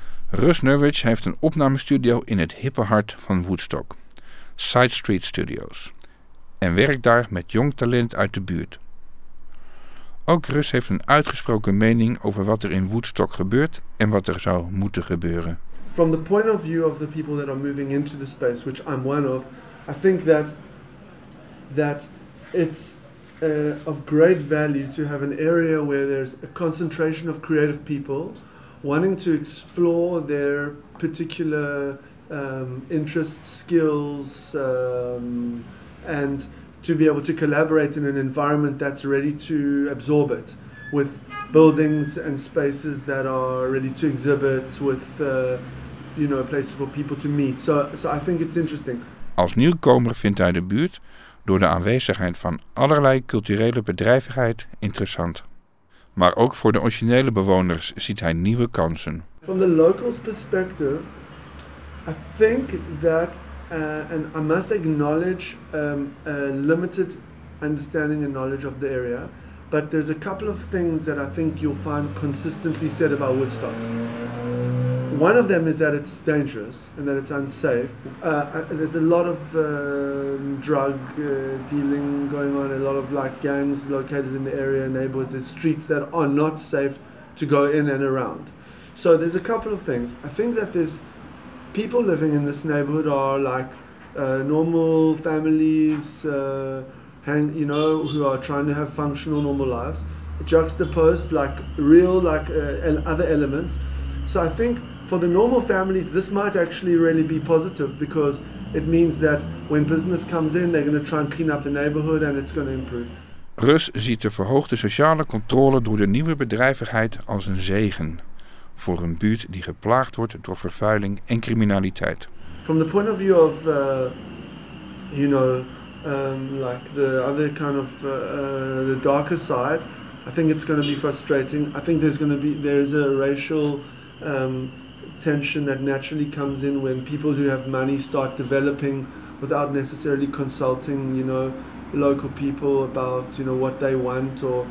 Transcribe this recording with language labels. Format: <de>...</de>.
<nl>Russ Nurwitch heeft een opnamestudio in het hippe hart van Woodstock, Side Street Studios, en werkt daar met jong talent uit de buurt. Ook Russ heeft een uitgesproken mening over wat er in Woodstock gebeurt en wat er zou moeten gebeuren.</nl> <en>From the point of view of the people that are moving into the space, which I'm one of, I think that it's of great value to have an area where there's a concentration of creative people wanting to explore their particular interests, skills, and to be able to collaborate in an environment that's ready to absorb it, with buildings and spaces that are ready to exhibit, with you know, a place for people to meet. So I think it's interesting.</en> <nl>Als nieuwkomer vindt hij de buurt door de aanwezigheid van allerlei culturele bedrijvigheid interessant. Maar ook voor de originele bewoners ziet hij nieuwe kansen.</nl> <en>From the locals' perspective, I think that, and I must acknowledge a limited understanding and knowledge of the area, but there's a couple of things that I think you'll find consistently said about Woodstock. One of them is that it's dangerous and that it's unsafe. There's a lot of drug dealing going on, a lot of like gangs located in the area, neighborhoods, there's streets that are not safe to go in and around. So there's a couple of things. I think that there's people living in this neighborhood are like normal families, you know, who are trying to have functional, normal lives, juxtaposed like real, like other elements. So I think for the normal families, this might actually really be positive because it means that when business comes in, they're going to try and clean up the neighborhood and it's going to improve.</en> <nl>Russ ziet de verhoogde sociale controle door de nieuwe bedrijvigheid als een zegen voor een buurt die geplaagd wordt door vervuiling en criminaliteit.</nl> <en>From the point of view of, you know, like the other kind of the darker side, I think it's going to be frustrating. I think there's a racial tension that naturally comes in when people who have money start developing without necessarily consulting, you know, local people about, you know, what they want.</en>